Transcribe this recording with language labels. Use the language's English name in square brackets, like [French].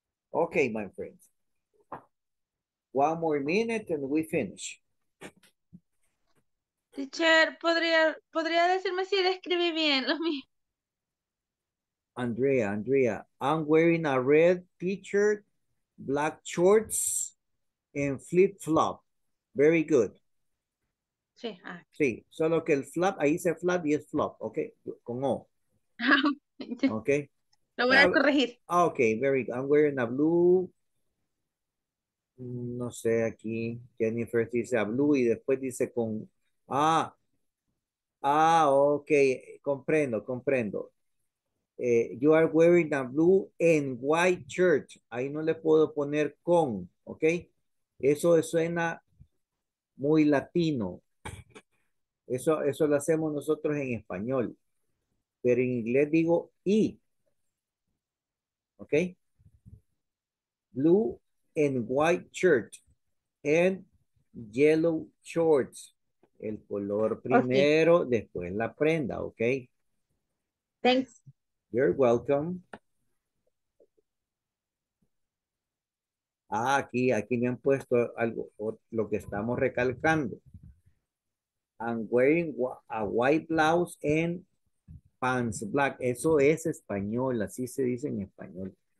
[English] Ok, my friends. One more minute and we finish. [Spanish] Teacher, ¿podría decirme si describí bien lo mismo? [English] Andrea, I'm wearing a red t-shirt, black shorts, and flip-flop. Very good. [Spanish] Sí. Sí, solo que el flap, ahí dice flap y es flop, ¿ok? Con O. ¿Ok? Lo voy a corregir. [English] Ok, very good. I'm wearing a blue... [Spanish] No sé, aquí Jennifer dice [English] a blue [Spanish] y después dice con... Ah, ok, comprendo. [English] You are wearing a blue and white shirt. [Spanish] Ahí no le puedo poner con, ¿ok? Eso suena muy latino. Eso lo hacemos nosotros en español. Pero en inglés digo y. ¿Ok? [English] Blue and white shirt and yellow shorts. [Spanish] El color primero, okay. Después la prenda, ¿ok? [English] Thanks. You're welcome. [Spanish] Ah, aquí me han puesto algo, lo que estamos recalcando. [English] I'm wearing a white blouse and pants black. [Spanish] Eso es español, así se dice en español.